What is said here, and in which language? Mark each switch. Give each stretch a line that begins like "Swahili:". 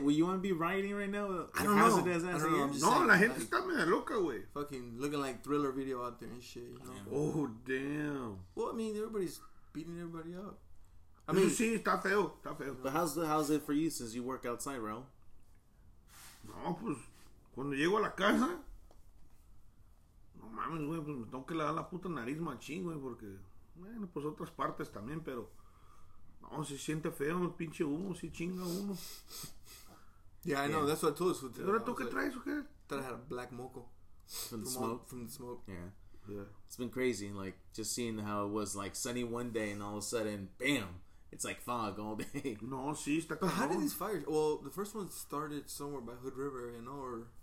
English: Well, you want to be rioting right now? I don't know.
Spanish: La gente está media loca, güey.
English: Fucking looking like Thriller video out there and shit. You know? Oh, damn. Well, I mean, everybody's beating everybody up. I mean,
Spanish: sí, está feo. Está feo.
English: But how's it for you since you work outside, bro?
Spanish: No, pues, cuando llego a la casa, no mames, güey, pues me tengo que lavar la puta nariz machín, güey, porque, bueno, pues otras partes también, pero, no, se siente feo el pinche humo, sí chinga uno.
English: Yeah, I know, that's what I told you.
Spanish: ¿Ahora tú qué traes o qué?
English: That I had a black moco. From the smoke? Yeah. Yeah. It's been crazy, like, just seeing how it was, like, sunny one day, and all of a sudden, bam. It's like fog all day.
Spanish: No, sí, está
English: cabrón. But how did these fires... Well, the first one started somewhere by Hood River, you know, or...